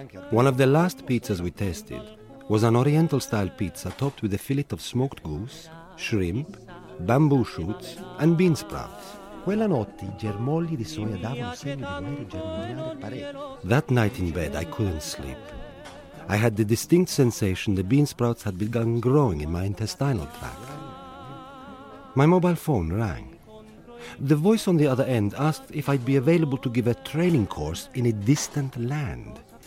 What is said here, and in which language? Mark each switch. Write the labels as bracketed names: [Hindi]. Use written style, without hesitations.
[English] One of the last pizzas we tested was an oriental-style pizza topped with a fillet of smoked goose, shrimp, bamboo shoots, and bean sprouts. [Italian] Quella notte, I germogli di soia davano segno di voler germogliare parecchio. [English] That night in bed, I couldn't sleep. I had the distinct sensation the bean sprouts had begun growing in my intestinal tract. My mobile phone rang. The voice on the other end asked if I'd be available to give a training course in a distant land.